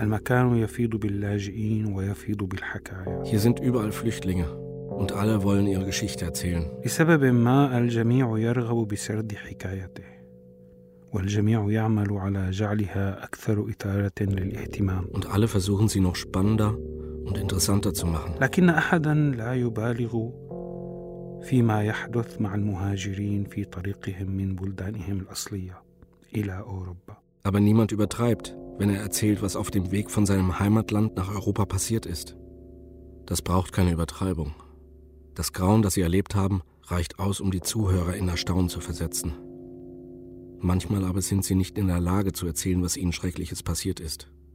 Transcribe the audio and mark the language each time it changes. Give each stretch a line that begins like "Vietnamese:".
Arabic: المكان يفيض باللاجئين ويفيض بالحكاية
German: Hier sind überall Flüchtlinge und alle wollen ihre Geschichte erzählen.
Arabic: لسبب ما الجميع يرغب بسرد حكايته والجميع يعمل على جعلها أكثر إثارة للاهتمام
German: Und alle versuchen sie noch spannender und interessanter zu machen.
Arabic: لكن أحدا لا يبالغ فيما يحدث مع المهاجرين في طريقهم من بلدانهم الأصلية إلى أوروبا.
German: Aber niemand übertreibt, wenn er erzählt, was auf dem Weg von seinem Heimatland nach Europa passiert ist. Das braucht keine Übertreibung. Das Grauen, das sie erlebt haben, reicht aus, um die Zuhörer in Erstaunen zu versetzen. Manchmal aber sind sie nicht in der Lage zu erzählen, was ihnen Schreckliches passiert ist.